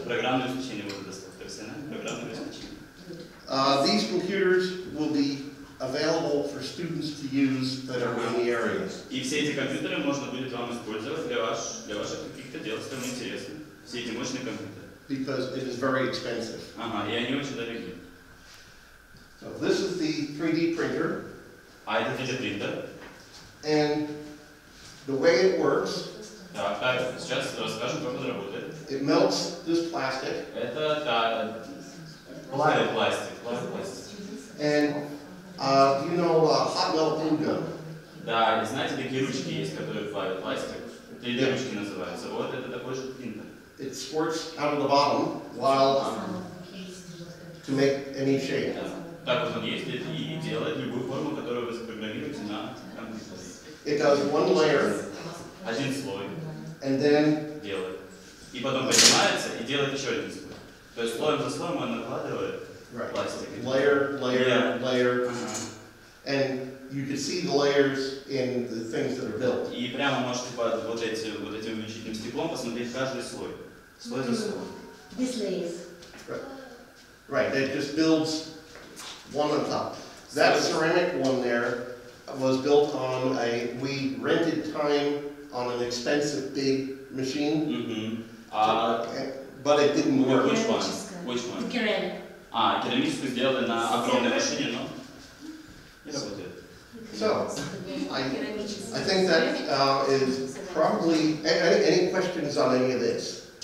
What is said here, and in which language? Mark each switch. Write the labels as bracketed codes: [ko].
[ru] Программное обеспечение. Профессиональное программное обеспечение. [en] These computers will be available for students to use that are in the area. [ru] И все эти компьютеры можно будет вам использовать для ваших каких-то дел, что вам интересно. Все эти мощные компьютеры. [en] Because it is very expensive. [ru] Ага, и они очень дорогие. [en] So this is the 3D printer. [ru] А это 3D-принтер. [en] And the way it works. [ru] Так, так, сейчас расскажем, как он работает. [en] It melts this plastic. [ru] Это пластик. [en] And you know hot melt glue gun? [ru] Да, и знаете, такие ручки есть, которые плавят пластик. 3D-ручки называются. Вот это такой же принтер. [en] It squirts out of the bottom while to make any shape. [ru] Так вот он есть и делает любую форму, которую вы запрограммируете на компьютере. [en] It does one layer. [ru] Один слой. [en] And then [ru] делает. И потом поднимается и делает еще один слой. То есть слоем за слоем он накладывает пластик. [en] Layer. And you can see the layers in the things that are built. И прямо можете вот эти вот этим увеличительным стеклом посмотреть каждый слой. Слой за слоем. This layers. Right. It just builds one on top. That ceramic one there was built on a, we rented time on an expensive big machine. But it didn't work. Which one? The ceramic. [ru] Ah, керамическую сделали на огромной машине, но не работает. [en] So, I think that is probably, any questions on any of this?